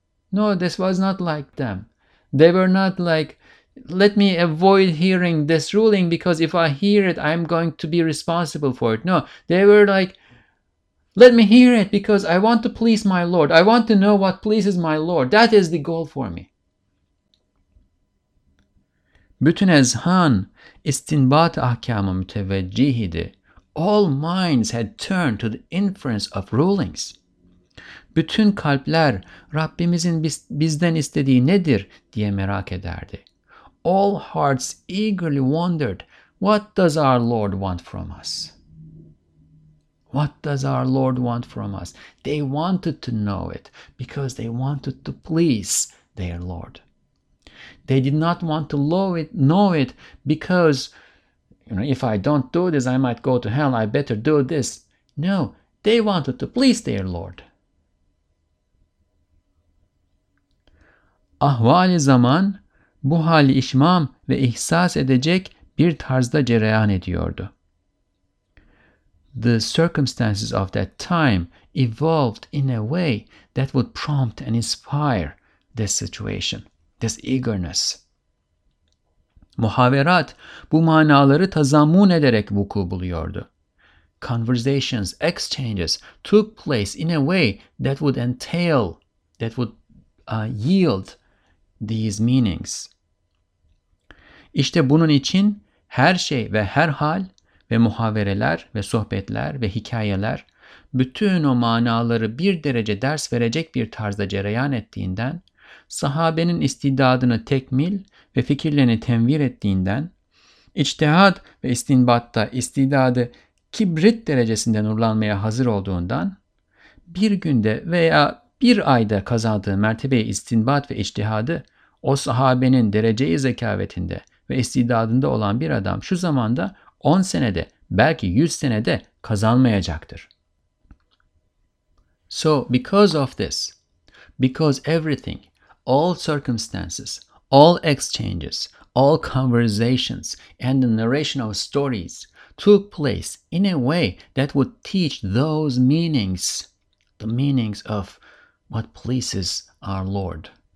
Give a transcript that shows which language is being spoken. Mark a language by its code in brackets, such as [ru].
[en] No, this was not like them. They were not like, let me avoid hearing this ruling because if I hear it, I'm going to be responsible for it. No, they were like, let me hear it because I want to please my Lord. I want to know what pleases my Lord. That is the goal for me. [tr] Bütün ezhan istinbat ahkamı müteveccih idi. [en] All minds had turned to the inference of rulings. [tr] Bütün kalpler Rabbimizin bizden istediği nedir diye merak ederdi. [en] All hearts eagerly wondered, what does our Lord want from us? What does our Lord want from us? They wanted to know it because they wanted to please their Lord. They did not want to know it because, you know, if I don't do this, I might go to hell. I better do this. No, they wanted to please their Lord. [tr] Ahvali zaman bu hali işmam ve ihsas edecek bir tarzda cereyan ediyordu. [en] The circumstances of that time evolved in a way that would prompt and inspire this situation, this eagerness. [tr] Muhaverat bu manaları tazammun ederek vuku buluyordu. [en] Conversations, exchanges took place in a way that would entail, that would yield these meanings. [tr] İşte bunun için her şey ve her hal ve muhavereler ve sohbetler ve hikayeler bütün o manaları bir derece ders verecek bir tarzda cereyan ettiğinden, sahabenin istidadını tekmil ve fikirlerini tenvir ettiğinden, içtihat ve istinbatta istidadı kibrit derecesinde nurlanmaya hazır olduğundan, bir günde veya bir ayda kazandığı mertebeyi istinbat ve içtihadı o sahabenin derece-i zekavetinde ve istidadında olan bir adam şu zamanda 10 senede, belki 100 senede kazanmayacaktır. [en] So because of this, because everything, all circumstances, all exchanges, all conversations and the narration of stories took place in a way that would teach those meanings, the meanings of what pleases our Lord.